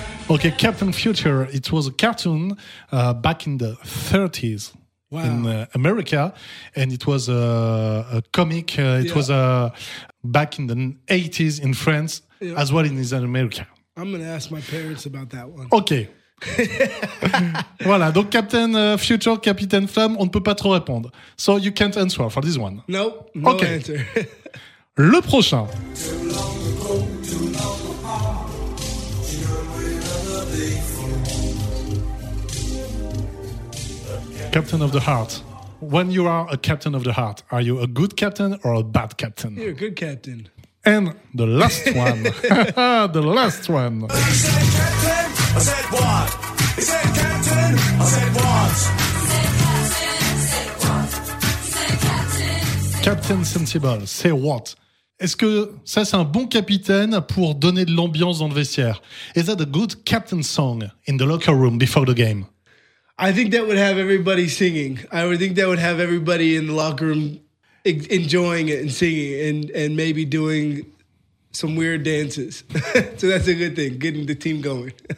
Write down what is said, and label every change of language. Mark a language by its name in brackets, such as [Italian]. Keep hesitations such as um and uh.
[English] Okay, Captain Future. It was a cartoon uh, back in the 30s in uh, America, and it was a, a comic. Uh, it Yeah. was uh, back in the 80s in France as well in is- in America. I'm gonna ask my parents about that one. Ok. [French] voilà, donc Captain euh, Future, Capitaine Flamme, on ne peut pas trop répondre. [English] So you can't answer for this one. Nope, no Okay. answer. [French] Le prochain. [English] Captain of the Heart. When you are a captain of the heart, are you a good captain or a bad captain? You're a good captain. And the last one. the last one. I said captain, I said what? He said captain, I said what? [French] Captain Sensible, c'est [English] what? [French] Est-ce que ça c'est un bon capitaine pour donner de l'ambiance dans le vestiaire? [English] Is that a good captain song in the locker room before the game? I think that would have everybody singing. I would think that would have everybody in the locker room e- enjoying it and singing and and maybe doing some weird dances. so that's a good thing, getting the team going.